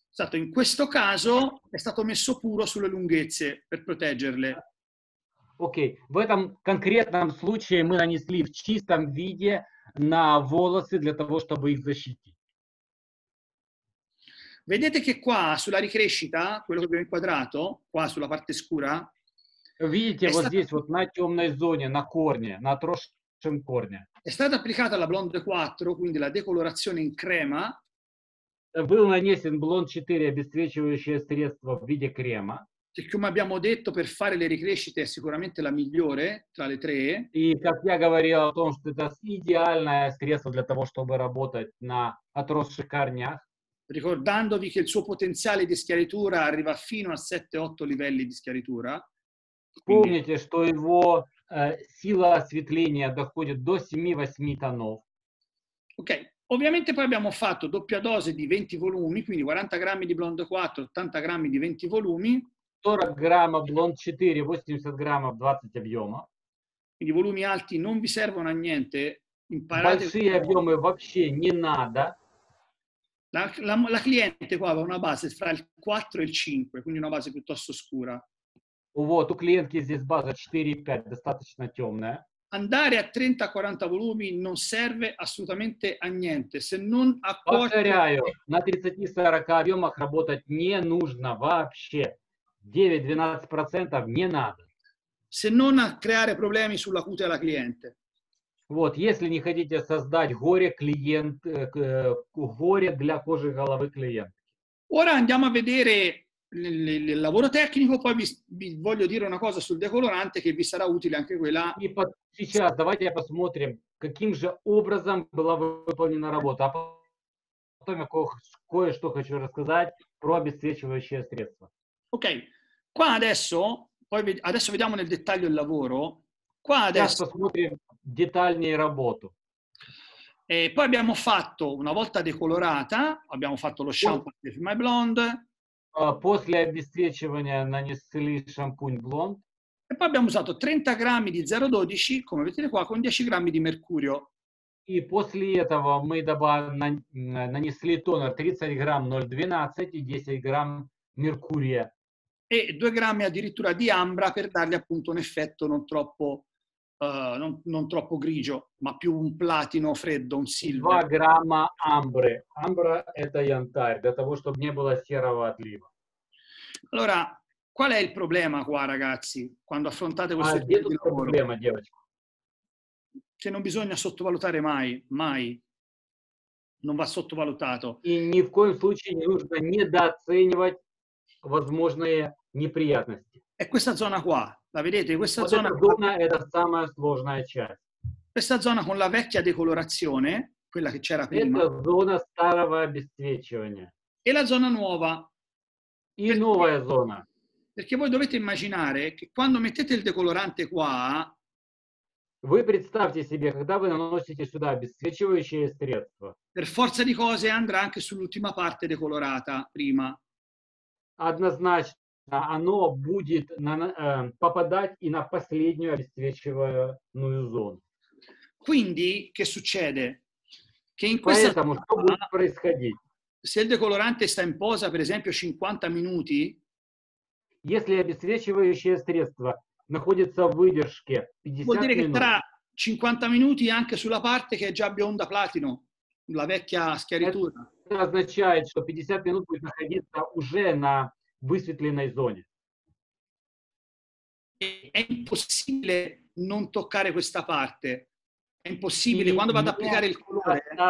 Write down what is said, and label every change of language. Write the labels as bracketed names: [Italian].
[Italian] Esatto, in questo caso è стато messo puro sulle lunghezze per proteggerle. [Russian] Окей. В этом конкретном случае мы нанесли в чистом виде на волосы для того, чтобы их защитить. [Italian] Vedete che qua sulla ricrescita, quello che abbiamo inquadrato, qua sulla parte scura, vedete, [Russian] вот здесь вот на тёмной зоне, на корне, на отросшем корне. [Italian] È stata applicata la Blonde 4, quindi la decolorazione in crema. [Russian] Был нанесен Blonde 4 обесцвечивающее средство в виде крема. [Italian] E come abbiamo detto, per fare le ricrescite è sicuramente la migliore tra le tre. [Russian] И как я говорил о том, что это идеальное средство для того, чтобы работать на отросших корнях. [Italian] Ricordandovi che il suo potenziale di schiaritura arriva fino a 7-8 livelli di schiaritura. [Russian] Помните, что его сила осветления доходит до 7-8 тонов. Ok. [Italian] Ovviamente poi abbiamo fatto doppia dose di 20 volumi, quindi 40 grammi di Blonde 4, 80 grammi di 20 volumi. 40 grammi Blonde 4, 80 grammi 20 [Russian] объема. [Italian] Quindi volumi alti non vi servono a niente. Imparate... [Russian] Большие объемы вообще не надо. [Italian] La cliente qua ha una base fra il 4 e il 5, quindi una base piuttosto scura. [Russian] Вот, у клиентки здесь база 4-5, достаточно темная. [Italian] Andare a 30-40 volumi non serve assolutamente a niente, se non a [Russian] повторяю, на 30-40 объемах работать не нужно вообще. 9-12% не надо. [Italian] Se non a creare problemi sulla cute alla cliente. [Russian] Вот, если не хотите создать горе клиент, горе для кожи головы клиентки. [Italian] Ora andiamo a vedere il lavoro tecnico, poi vi voglio dire una cosa sul decolorante che vi sarà utile anche quella. [Russian] И сейчас давайте посмотрим, каким же образом была выполнена работа. А потом я кое-что хочу рассказать про обесцвечивающее средство. [Italian] Ok, qua adesso, poi adesso vediamo nel dettaglio il lavoro. Qua adesso [Russian] посмотрим детальнее работу. [Italian] Poi abbiamo fatto, una volta decolorata, abbiamo fatto lo shampoo di My Blonde. [Russian] После обесцвечивания нанесли шампунь блонд. [Italian] E poi abbiamo usato 30 grammi di 0,12, come vedete qua, con 10 grammi di mercurio. [Russian] И после этого мы нанесли тонер 30 грамм 0,12 и 10 грамм меркурия. [Italian] E 2 grammi addirittura di ambra per dargli appunto un effetto non troppo, non troppo grigio, ma più un platino freddo, un silver. [Russian] 2 грамма амбры. Амбра – это янтарь, для того, чтобы не было серого отлива. [Italian] Allora, qual è il problema qua, ragazzi, quando affrontate questo tipo di lavoro? Problema, [Russian] девочка? [Italian] Che non bisogna sottovalutare mai, mai. Non va sottovalutato. [Russian] И ни в коем случае не нужно недооценивать возможные неприятности. [Italian] È questa zona qua. La vedete? Questa zona qua è la più [Russian] сложная часть. [Italian] Questa zona con la vecchia decolorazione, quella che c'era prima. Questa zona [Russian] старого обесцвечивания. [Italian] E la zona nuova. [Russian] И новая зона. [Italian] Perché voi dovete immaginare che quando mettete il decolorante qua, [Russian] voi представьте себе, когда вы наносите сюда обесцвечивающее средство. [Italian] Per forza di cose andrà anche sull'ultima parte decolorata prima. [Russian] Однозначно. Оно будет попадать и на последнюю обесцвечивающую зону. [Italian] Quindi, che succede? Che in questa [Russian] Поэтому, [Italian] zona, [Russian] что будет происходить? [Italian] Se il decolorante sta in posa, per esempio, 50 minuti, [Russian] если обесцвечивающее средство находится в выдержке 50 [Italian] vuol dire [Russian] минут, [Italian] che tra 50 minuti anche sulla parte che è già bionda platino, la vecchia schiaritura. [Russian] Это означает, что 50 минут будет находиться уже на высветленной зоне. [Italian] È impossibile non toccare questa parte. È impossibile quando vado ad applicare il colore,